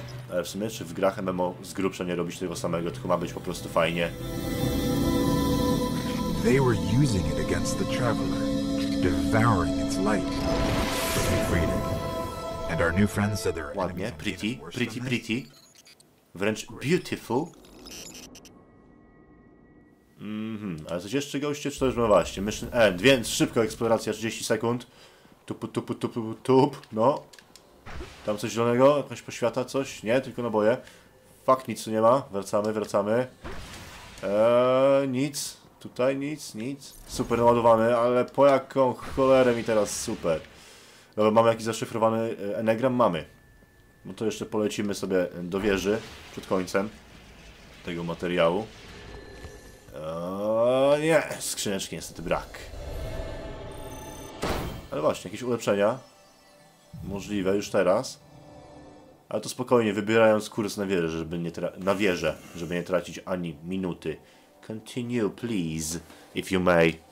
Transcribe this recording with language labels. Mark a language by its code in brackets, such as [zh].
[pl] Ale w sumie, czy w grach MMO z grubsza nie robić tego samego, tylko ma być po prostu fajnie? [en] They were using it against the traveler. Devouring its light. We freed it. And our new friends said they're ładnie, enemies. Pretty, pretty, pretty. Wręcz beautiful. [pl] Mhm, ale coś jeszcze goście, czy to już ma właśnie? Mission end, więc szybko eksploracja 30 sekund. Tup, tup, tup, tup, tup, no. Tam coś zielonego, jakaś poświata, coś? Nie, tylko naboje. Fuck, nic tu nie ma. Wracamy, wracamy. Nic. Tutaj nic, nic. Super naładowany, ale po jaką cholerę mi teraz super. Dobra, mamy jakiś zaszyfrowany enegram? Mamy. No to jeszcze polecimy sobie do wieży przed końcem tego materiału. Nie, skrzyneczki niestety brak. Ale właśnie, jakieś ulepszenia możliwe już teraz. Ale to spokojnie, wybierając kurs na wieżę, żeby nie na wieżę, żeby nie tracić ani minuty. [en] Continue, please, if you may.